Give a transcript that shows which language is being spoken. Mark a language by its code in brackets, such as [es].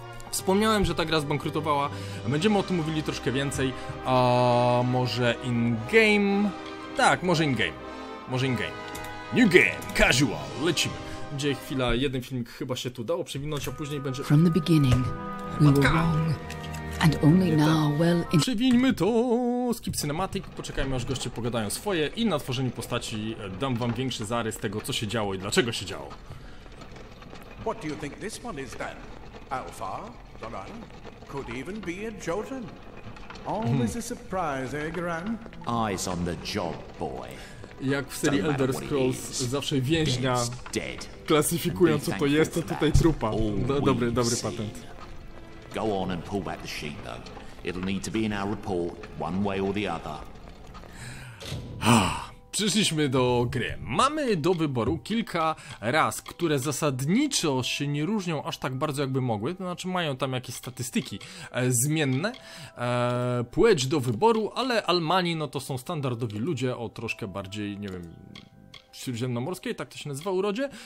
[pl] Wspomniałem, że ta gra zbankrutowała. Będziemy o tym mówili troszkę więcej. Może in-game? Tak, może in-game. Może in-game. [en] New game, casual, lecimy. [pl] Gdzie chwila, jeden filmik chyba się tu dało przewinąć, a później będzie... [en] From the beginning, we were wrong. And only now, well... [pl] Przewińmy to! [en] Skip cinematic, [pl] poczekajmy aż goście pogadają swoje i na tworzeniu postaci dam wam większy zarys tego, co się działo i dlaczego się działo. [en] What do you think this one is then? Alpha, Doran, could even be a Jotun. Always a surprise, eh, Gran? Eyes on the job, boy. [pl] Jak w serii Elder Scrolls, zawsze więźnia klasyfikują, co to jest, co tutaj trupa. Dobry patent. [en] Go on and pull back the sheet, though. It'll need to be in our report, one way or the other. [pl] Przyszliśmy do gry. Mamy do wyboru kilka ras, które zasadniczo się nie różnią aż tak bardzo, jakby mogły. To znaczy, mają tam jakieś statystyki zmienne. Płeć do wyboru, ale Almani no to są standardowi ludzie o troszkę bardziej, nie wiem, śródziemnomorskiej, tak to się nazywa, urodzie.